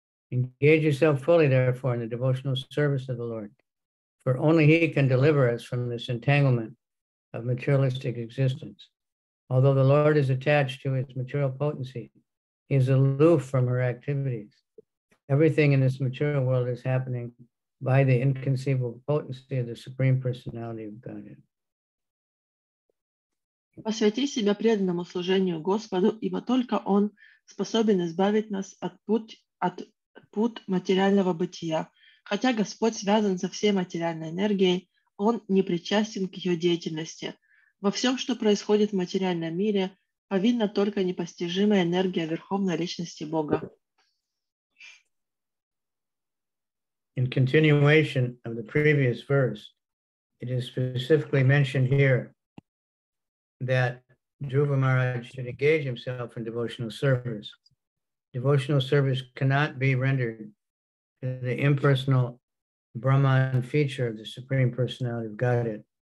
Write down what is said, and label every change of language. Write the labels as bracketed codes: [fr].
[en] Engage yourself fully, therefore, in the devotional service of the Lord, for only He can deliver us from this entanglement of materialistic existence. Although the Lord is attached to His material potency, He is aloof from her activities. Everything in this material world is happening by the inconceivable potency of the Supreme Personality of Godhead. [ru] Посвяти себя преданному служению Господу, ибо только Он способен избавить нас от пут материального бытия. Хотя Господь связан со всей материальной энергией, Он не причастен к ее деятельности. Во всем, что происходит в материальном мире, повинна только непостижимая энергия Верховной Личности Бога. [en] In continuation of the previous verse, it is specifically mentioned here that Dhruva Maharaj should engage himself in devotional service. Devotional service cannot be rendered to the impersonal Brahman feature of the Supreme Personality of Godhead.